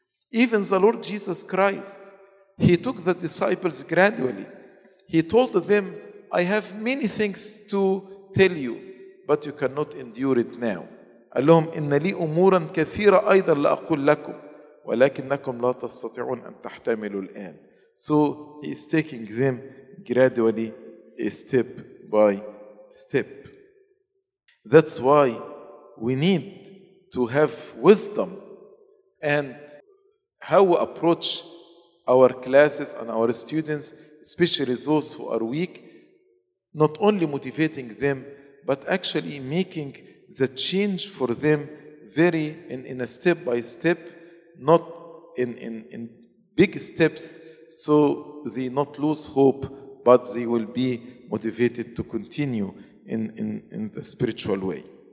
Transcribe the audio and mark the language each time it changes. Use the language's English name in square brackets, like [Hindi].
[English] Even the Lord Jesus Christ, he took the disciples gradually. He told them, I have many things to tell you, but you cannot endure it now. [Arabic] اللهم إن لي أمورا كثيرة أيضا لا أقول لكم ولكنكم لا تستطيعون أن تحتملوا الآن. [English] So he is taking them gradually, step by step. by step. That's why we need to have wisdom and how we approach our classes and our students, especially those who are weak, not only motivating them, but actually making the change for them very in a step by step, not in big steps, so they not lose hope, but they will be motivated to continue in the spiritual way.